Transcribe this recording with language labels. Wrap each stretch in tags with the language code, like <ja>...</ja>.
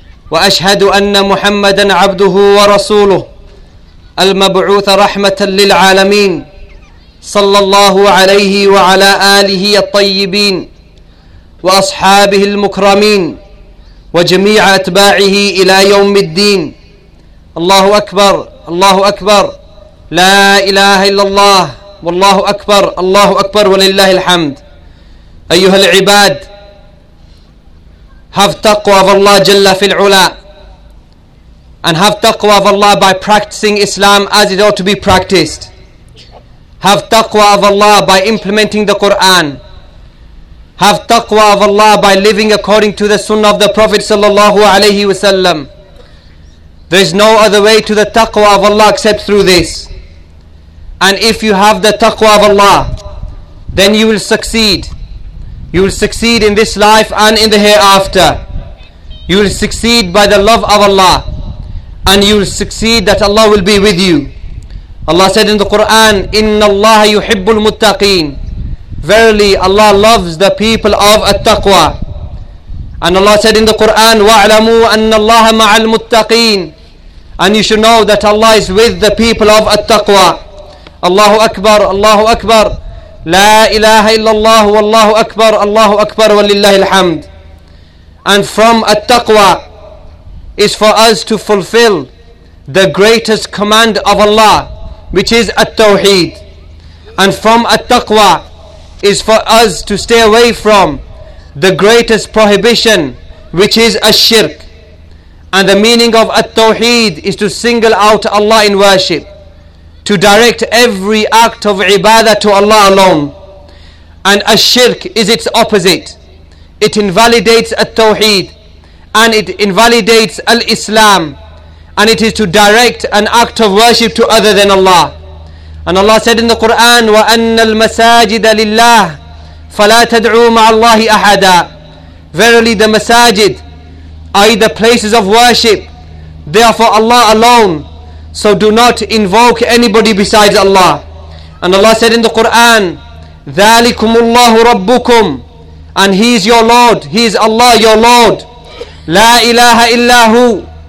<ar>وأشهد أن محمدًا عبده ورسوله المبعوث رحمة للعالمين، صلى الله عليه وعلى آله الطيبين وأصحابه المكرمين وجميع أتباعه إلى يوم الدين. الله أكبر، الله أكبر، لا إله إلا الله، والله أكبر، الله أكبر، ولله الحمد. أيها العباد،</ar> <en>have taqwa of Allah Jalla fil ula, and have taqwa of Allah by practicing Islam as it ought to be practiced. Have taqwa of Allah by implementing the Quran. Have taqwa of Allah by living according to the Sunnah of the Prophet sallallahu alayhi wasallam. There's no other way to the taqwa of Allah except through this. And if you have the taqwa of Allah, then you will succeed. You will succeed in this life and in the hereafter. You will succeed by the love of Allah. And you will succeed that Allah will be with you. Allah said in the Quran,</en> <ar>إِنَّ اللَّهَ يُحِبُّ الْمُتَّقِينَ.</ar> <en>Verily, Allah loves the people of At-Taqwa. And Allah said in the Quran,</en> <ar>وَاعْلَمُوا أَنَّ اللَّهَ مَعَ الْمُتَّقِينَ.</ar> <en>And you should know that Allah is with the people of At-Taqwa.</en> <ar>Allahu Akbar, Allahu Akbar. لا إله إلا الله والله أكبر الله أكبر ولله الحمد.</ar> <en>And from at-taqwa is for us to fulfill the greatest command of Allah, which is at-tawheed. And from at-taqwa is for us to stay away from the greatest prohibition, which is ash-shirk. And the meaning of at-tawheed is to single out Allah in worship, to direct every act of ibadah to Allah alone. And ash-shirk is its opposite. It invalidates at-tawheed, and it invalidates al-Islam, and it is to direct an act of worship to other than Allah. And Allah said in the Quran,</en> <ar>وَأَنَّ الْمَسَاجِدَ لِلَّهِ فَلَا تَدْعُوا مَعَ اللَّهِ أَحَدًا.</ar> <en>Verily, the masajid, i.e. the places of worship, they are for Allah alone. So do not invoke anybody besides Allah. And Allah said in the Quran,</en> <ar>ذَلِكُمُ اللَّهُ رَبُّكُمْ.</ar> <en>And He is your Lord. He is Allah, your Lord.</en> <ar>لَا إِلَهَ إِلَّا هُ.</ar>